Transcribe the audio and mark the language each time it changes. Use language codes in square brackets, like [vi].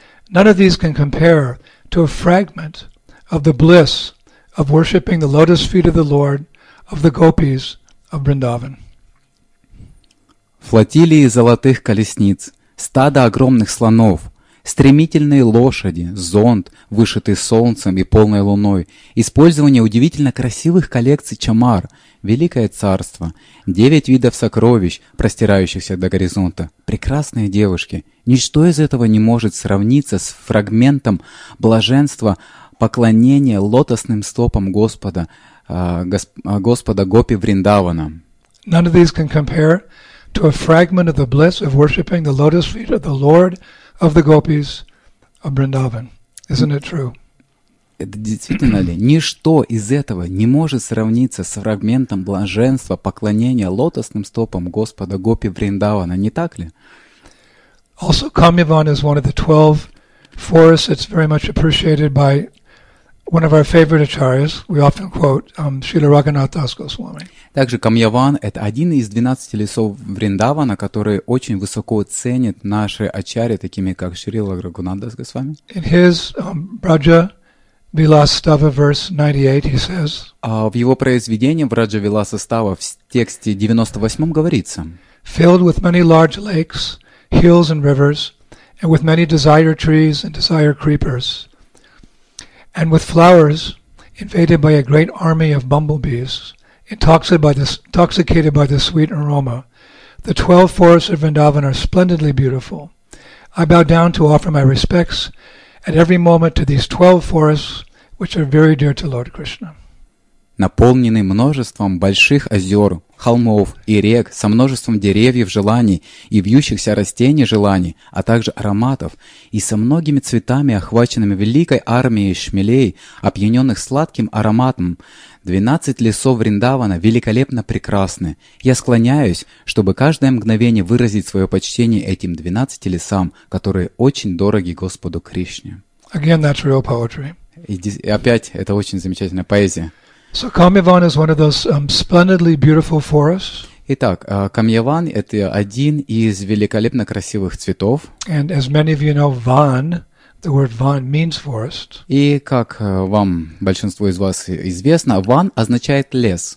[en] None of these can compare to a fragment of the bliss of worshipping the lotus feet of the Lord, of the gopis of Vrindavan." [ru] Флотилии золотых колесниц, стадо огромных слонов, стремительные лошади, зонт, вышитый солнцем и полной луной, использование удивительно красивых коллекций чамар, великое царство, девять видов сокровищ, простирающихся до горизонта, прекрасные девушки. Ничто из этого не может сравниться с фрагментом блаженства, поклонения лотосным стопам Господа, Господа Гопи Вриндавана. [en] None of these can compare to a fragment of the bliss of worshipping the lotus feet of the Lord of the Gopis of Vrindavan. Isn't it true? [ru] Это действительно ли? Ничто из этого не может сравниться с фрагментом блаженства, поклонения лотосным стопам Господа Гопи Вриндавана, не так ли? [en] Also, Kamyavan is one of the 12 forests. It's very much appreciated by one of our favorite acharyas. We often quote Srila Raghunath Das Goswami. [ru] Также Камьяван — это один из 12 лесов Вриндавана, которые очень высоко ценят наши ачарьи, такими как Шрила Рагунат Дас Госвами. [en] In his Braja Vilas Stava, verse 98, he says, [ru] в его произведении Braja Vilas Stava в тексте 98 говорится: [en] "Filled with many large lakes, hills and rivers, and with many desire trees and desire creepers, and with flowers invaded by a great army of bumblebees, intoxicated by the sweet aroma. The 12 forests of Vrindavan are splendidly beautiful. I bow down to offer my respects at every moment to these 12 forests, which are very dear to Lord Krishna." [ru] Наполненный множеством больших озер, холмов и рек, со множеством деревьев желаний и вьющихся растений желаний, а также ароматов, и со многими цветами, охваченными великой армией шмелей, опьяненных сладким ароматом, 12 лесов Вриндавана великолепно прекрасны. Я склоняюсь, чтобы каждое мгновение выразить свое почтение этим 12 лесам, которые очень дороги Господу Кришне. [en] Again, that's real poetry. [ru] И опять, это очень замечательная поэзия. [en] So Kamyavan is one of those splendidly beautiful forests. [ru] Итак, Камьяван — это один из великолепно красивых цветов. [en] And as many of you know, van, the word van means forest. [ru] И как вам, большинство из вас известно, van означает лес.